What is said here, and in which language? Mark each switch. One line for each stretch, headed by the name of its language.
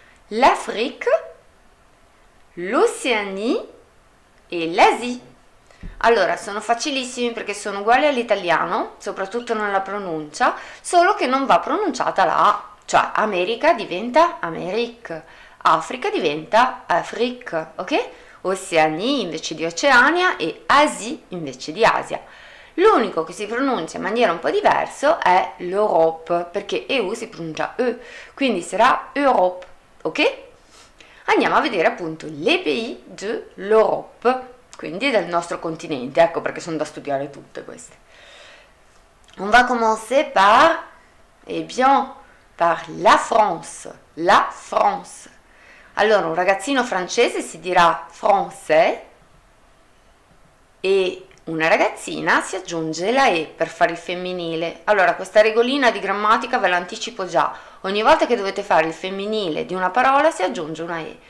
French: L'Afrique, l'Océanie e l'Asie.
Italian: Allora, sono facilissimi perché sono uguali all'italiano, soprattutto nella pronuncia, solo che non va pronunciata la A, cioè America diventa Amérique, Africa diventa Afrique, ok? Oceanie invece di Oceania e Asie invece di Asia. L'unico che si pronuncia in maniera un po' diverso è l'Europe, perché EU si pronuncia E, quindi sarà Europe, ok? Andiamo a vedere appunto
French: les pays de l'Europe,
Italian: quindi del nostro continente, ecco perché sono da studiare tutte queste.
French: On va commencer par, eh bien, par la France, la France.
Italian: Allora, un ragazzino francese si dirà français e una ragazzina si aggiunge la E per fare il femminile. Allora, questa regolina di grammatica ve l'anticipo già. Ogni volta che dovete fare il femminile di una parola si aggiunge una E.